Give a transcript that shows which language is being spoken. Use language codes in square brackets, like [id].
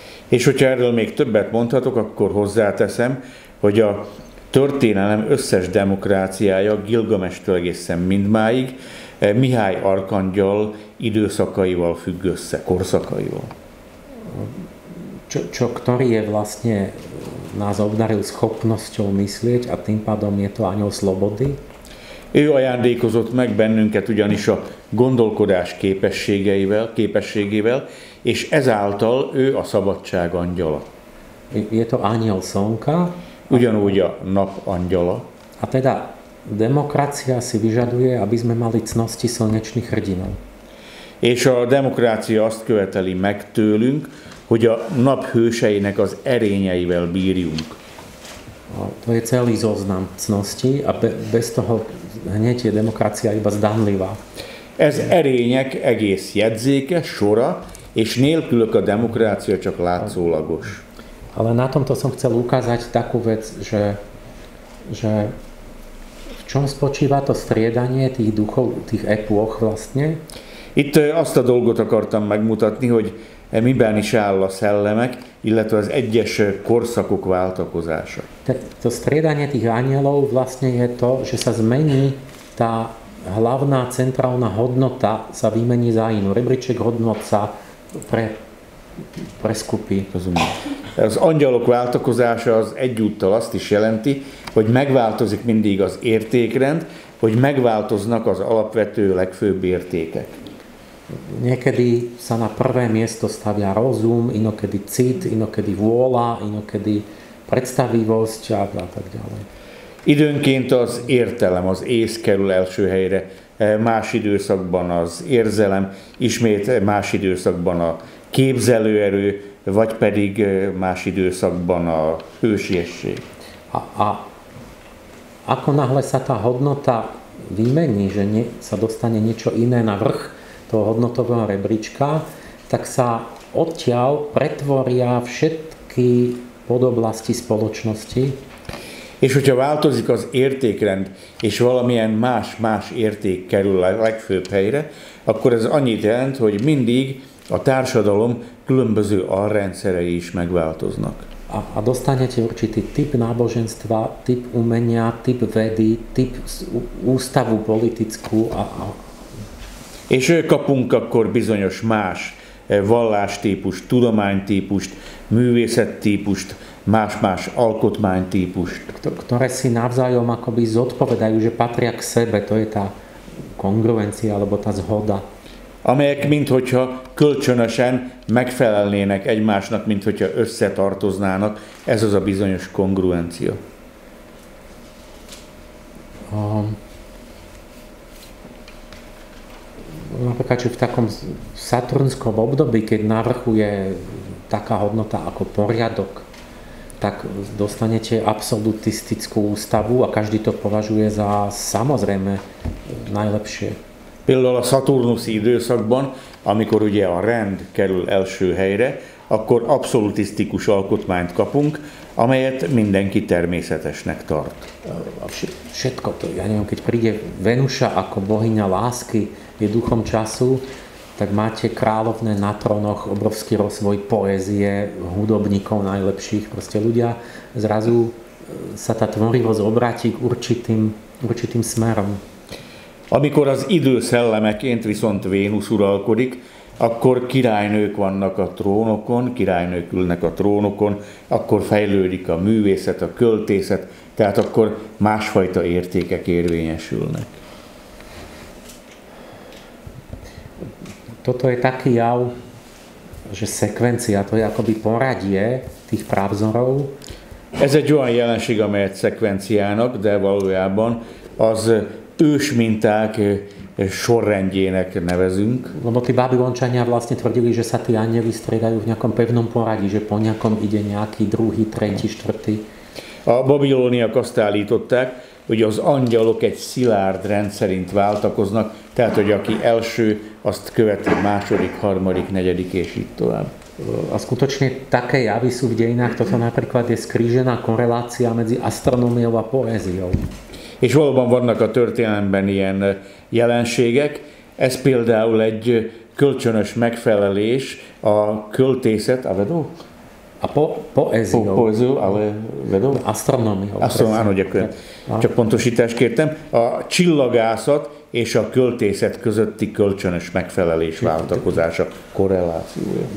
[hu] És hogyha erről még többet mondhatok, akkor hozzáteszem, hogy a történelem összes demokráciája Gilgameshtől egészen mindmáig Mihály Arkangyal időszakaival függ össze, korszakaival. [sk] Čo ktorý je vlastne nás obdaril schopnosťou myslieť a tým pádom je to anjel slobody? [hu] Ő ajándékozott meg bennünket ugyanis a gondolkodás képességével, és ezáltal ő a szabadság angyala. [sk] Je to anjel slnka? [hu] Ugyanúgy a nap angyala. [sk] A teda demokracia si vyžaduje, aby sme mali cnosti slnečných hrdinov. [hu] És a demokrácia azt követeli meg tőlünk, hogy a nap hőseinek az erényeivel bírjunk. [sk] To je celý zoznam cnosti a bez toho hneď je demokrácia iba zdanlivá. [hu] Ez erények egész jedzéke, sora, és nélkülök a demokrácia csak látszólagos. [sk] Ale na tomto som chcel ukázať takú vec, že v čom spočíva to striedanie tých duchov, tých epoch vlastne? [hu] Itt azt a dolgot akartam megmutatni, hogy miben is áll a szellemek, illetve az egyes korszakok váltakozása. [sk] To striedanie tých anielov vlastne je to, že sa zmení tá hlavná centrálna hodnota sa vymení za inú. Rebríček hodnot sa preskupí. [hu] Az angyalok váltakozása az egyúttal azt is jelenti, hogy megváltozik mindig az értékrend, hogy megváltoznak az alapvető legfőbb értékek. [sk] Niekedy sa na prvé miesto stavia rozum, inokedy cit, inokedy vôľa, inokedy predstavivosť a tak ďalej. [hu] Időnként az értelem, az ész kerül első helyre, más időszakban az érzelem, ismét más időszakban a képzelőerő, vagy pedig más időszakban a hősiesség. [sk] A ako náhle sa tá hodnota vymení, že sa dostane niečo iné na vrch, toho hodnotového rebríčka, tak sa odtiaľ pretvoria všetky podoblasti spoločnosti. [hu] És hogyha változik az értékrend, és valamilyen más-más érték kerül a legfőbb helyre, akkor ez annyit jelent, hogy mindig a társadalom különböző alrendszerei is megváltoznak. [sk] A dostanete určitý typ náboženstva, typ umenia, typ vedy, typ ústavu politickú a [hu] és kapunk akkor bizonyos más vallástípust, tudománytípust, művészettípust, más-más alkotmánytípust. [sk] Ktoré si navzájom akoby zodpovedajú, že patria k sebe, to je tá kongruencia alebo tá zhoda. [hu] Amelyek minthogyha kölcsönösen megfelelnének egymásnak, minthogyha összetartoznának, ez az a bizonyos kongruencia. [sk] Napríklad, či v takom saturnskom období, keď na vrchu je taká hodnota ako poriadok, tak dostanete absolutistickú ústavu a každý to považuje za samozrejme najlepšie. [hu] Például a Saturnusi időszakban, amikor ugye a rend kerül első helyre, akkor abszolutisztikus alkotmányt kapunk, amelyet mindenki természetesnek tart. [sk] Všetko to, ja neviem, keď príde Venuša ako bohyňa lásky, je duchom času, tak máte kráľovné na trónoch, obrovský rozvoj poézie, hudobníkov najlepších, proste ľudia, zrazu sa tá tvorivosť obráti k určitým smerom. [hu] Amikor az idő szellemeként viszont Vénusz uralkodik, akkor királynők vannak a trónokon, királynők ülnek a trónokon, akkor fejlődik a művészet, a költészet, tehát akkor másfajta értékek érvényesülnek. [sk] Toto je taký jav, že sekvencia, to je akoby poradie tých pravzorov. [hu] Ez egy olyan jelenség, amelyet szekvenciának, de valójában az ős minták sorrendjének nevezünk. [sk] Lebo tí babylončania vlastne tvrdili, že sa tí anjeli striedajú v nejakom pevnom poradí, že po nejakom ide nejaký druhý, tretí, štvrtý. [hu] A babyloniak azt állították, hogy az angyalok egy szilárd rend szerint váltakoznak, tehát, hogy aki első, azt követi második, harmadik, negyedik, és így tovább. [sk] A skutočne také javy sú v dejinách, toto napríklad je skrížená korelácia medzi astronómiou a poéziou. [hu] És valóban vannak a történelemben ilyen jelenségek. Ez például egy kölcsönös megfelelés a költészet, a vedó? A poézió. Poézió, a vedó? [sk] Astronómia. Astronómia, áno, [hu] gyakorlatilag. Csak pontosítást kértem. A csillagászat és a költészet közötti kölcsönös megfelelés váltakozása, korrelációja.